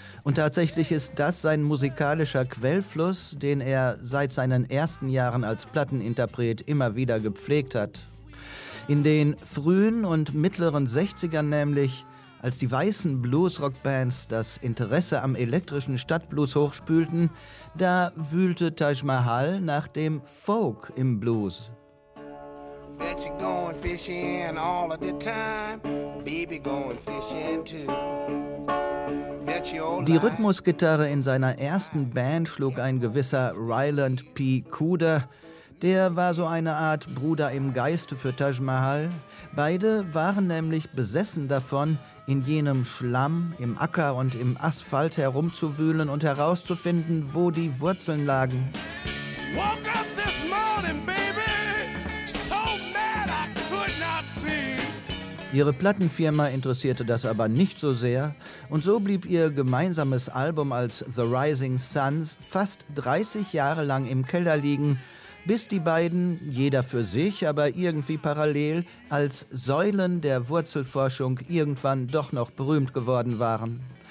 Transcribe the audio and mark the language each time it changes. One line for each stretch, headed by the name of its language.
German: Und tatsächlich ist das sein musikalischer Quellfluss, den er seit seinen ersten Jahren als Platteninterpret immer wieder gepflegt hat. In den frühen und mittleren 60ern nämlich, als die weißen Bluesrockbands das Interesse am elektrischen Stadtblues hochspülten, da wühlte Taj Mahal nach dem Folk im Blues.
English: Bet you're going fishing all of the time, baby going fishing too.
German: Die Rhythmusgitarre in seiner ersten Band schlug ein gewisser Ryland P. Cooder. Der war so eine Art Bruder im Geiste für Taj Mahal. Beide waren nämlich besessen davon, in jenem Schlamm, im Acker und im Asphalt herumzuwühlen und herauszufinden, wo die Wurzeln lagen.
English: Woke up this morning, baby, so mad I could not see.
German: Ihre Plattenfirma interessierte das aber nicht so sehr. Und so blieb ihr gemeinsames Album als The Rising Suns fast 30 Jahre lang im Keller liegen, bis die beiden, jeder für sich, aber irgendwie parallel, als Säulen der Wurzelforschung irgendwann doch noch berühmt geworden waren.